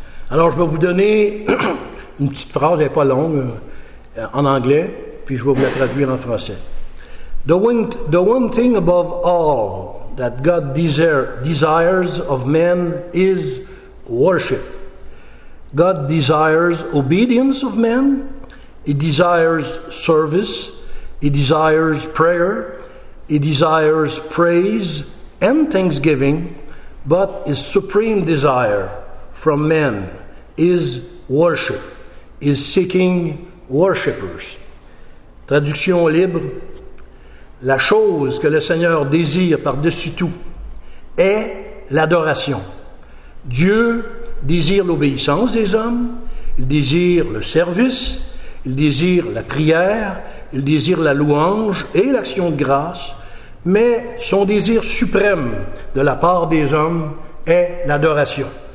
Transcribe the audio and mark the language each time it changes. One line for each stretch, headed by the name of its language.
French: Alors, je vais vous donner une petite phrase, elle n'est pas longue, en anglais, puis je vais vous la traduire en français.
English: The one thing above all that God desires of men is worship. God desires obedience of men. He desires service. He desires prayer. He desires praise and thanksgiving. But his supreme desire from men is worship, is seeking worshipers.
French: Traduction libre. La chose que le Seigneur désire par-dessus tout est l'adoration. Dieu désire l'obéissance des hommes, il désire le service, il désire la prière, il désire la louange et l'action de grâce, mais son désir suprême de la part des hommes est l'adoration.